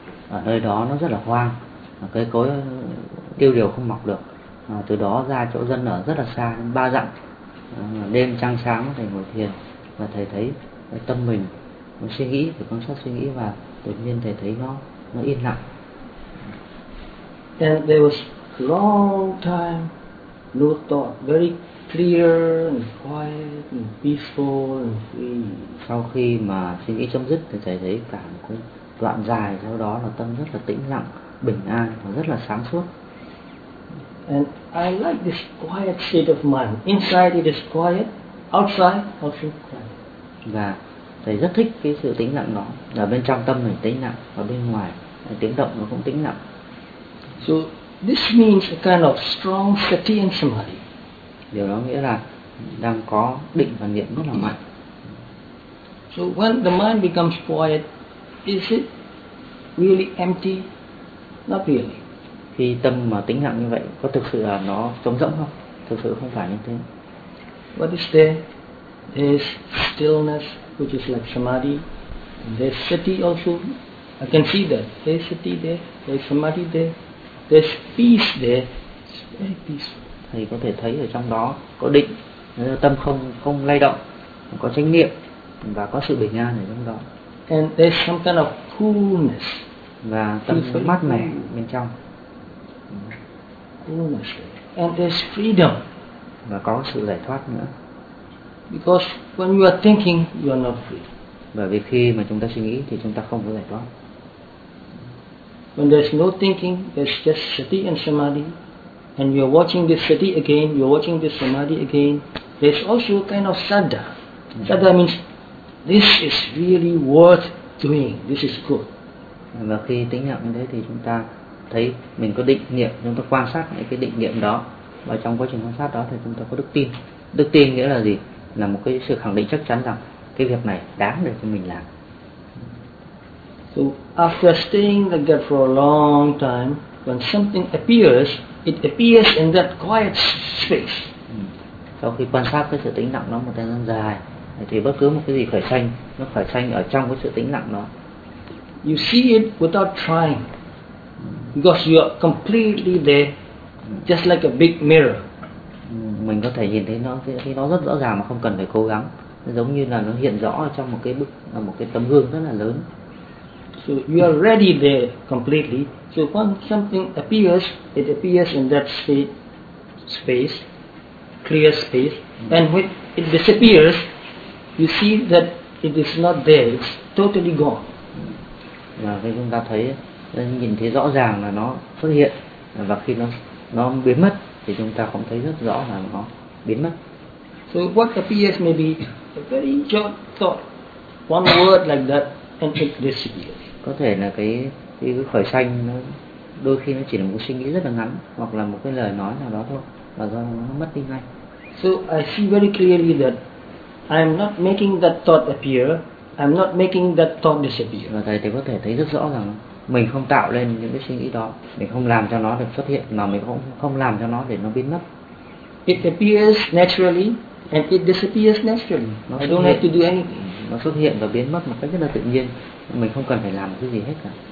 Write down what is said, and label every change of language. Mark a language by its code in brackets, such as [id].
[vi] Ở nơi đó nó rất là hoang. Cây cối tiêu điều không mọc được. Từ đó ra chỗ dân ở rất là xa, 3 dặm. Đêm trăng sáng, thầy ngồi thiền. Và thầy thấy tâm mình, nó suy nghĩ, phải quan sát suy nghĩ. Và tự nhiên thầy thấy nó yên lặng. [en] And there was long time no thought, very clear and quiet and peaceful and free. [vi] Sau khi mà suy nghĩ chấm dứt thì thầy thấy cả một cái đoạn dài sau đó là tâm rất là tĩnh lặng, bình an và rất là sáng suốt. [en] And I like this quiet state of mind. Inside it is quiet, outside also quiet. [vi] Và thầy rất thích cái sự tĩnh lặng đó. Ở bên trong tâm mình tĩnh lặng và bên ngoài tiếng động nó cũng tĩnh lặng. [en] So this means a kind of strong sati and samadhi. [vi] Điều đó nghĩa là đang có định và niệm rất là mạnh. [en] So when the mind becomes quiet, is it really empty? Not really. [vi] Khi tâm mà tĩnh lặng như vậy, có thực sự là nó trống rỗng không? Thực sự không phải như thế. [en] What is there? There's stillness, which is like samadhi. There's sati also. I can see that. There's sati there. There's samadhi there. There's peace there. It's very peaceful. [vi] Thầy có thể thấy ở trong đó có định, tâm không lay động, có chánh niệm và có sự bình an ở trong đó. [en] And there's some kind of coolness. [vi] Và tâm sự mát mẻ bên trong. [en] Coolness. And there's freedom. [vi] Và có sự giải thoát nữa. [en] Because when you are thinking, you are not free. [vi] Bởi vì khi mà chúng ta suy nghĩ thì chúng ta không có giải thoát. [en] When there's no thinking, there's just sati and samadhi, and you're watching this sati again, you're watching this samadhi again, there's also a kind of sadda. Sadda means, this is really worth doing, this is good. [vi] Và khi tĩnh lặng như thế thì chúng ta thấy mình có định niệm, chúng ta quan sát những cái định niệm đó, và trong quá trình quan sát đó thì chúng ta có đức tin. Đức tin nghĩa là gì? Là một cái sự khẳng định chắc chắn rằng cái việc này đáng để cho mình làm. [en] So after staying like that for a long time, when something appears, it appears in that quiet space. [vi] Sau khi quan sát cái sự tĩnh lặng nó một thời gian dài, thì bất cứ một cái gì khởi sanh, nó khởi sanh ở trong cái sự tĩnh lặng đó. [en] You see it without trying, because you are completely there, just like a big mirror. [vi] Mình có thể nhìn thấy nó khi nó rất rõ ràng mà không cần phải cố gắng, giống như là nó hiện rõ ở trong một cái tấm gương rất là lớn. [en] So you are ready there completely. So when something appears, it appears in that space, clear space. And when it disappears, you see that it is not there. It's totally gone. [vi] Và khi chúng ta thấy, nhìn thấy rõ ràng là nó xuất hiện, và khi nó biến mất, thì chúng ta cũng thấy rất rõ là nó biến mất. [en] So what appears may be a very short thought, one word like that, and take discipline. [vi] Có thể là cái khởi sanh nó đôi khi nó chỉ là một suy nghĩ rất là ngắn hoặc là một cái lời nói nào đó thôi và do nó mất đi ngay. [en] So I see very clearly that I'm not making that thought appear, I'm not making that thought disappear. [vi] Và thầy thì có thể thấy rất rõ rằng mình không tạo lên những cái suy nghĩ đó, mình không làm cho nó được xuất hiện mà mình cũng không làm cho nó để nó biến mất. [en] It appears naturally and it disappears naturally. I don't have to do anything. [vi] Nó xuất hiện và biến mất một cách rất là tự nhiên, mình không cần phải làm cái gì hết cả.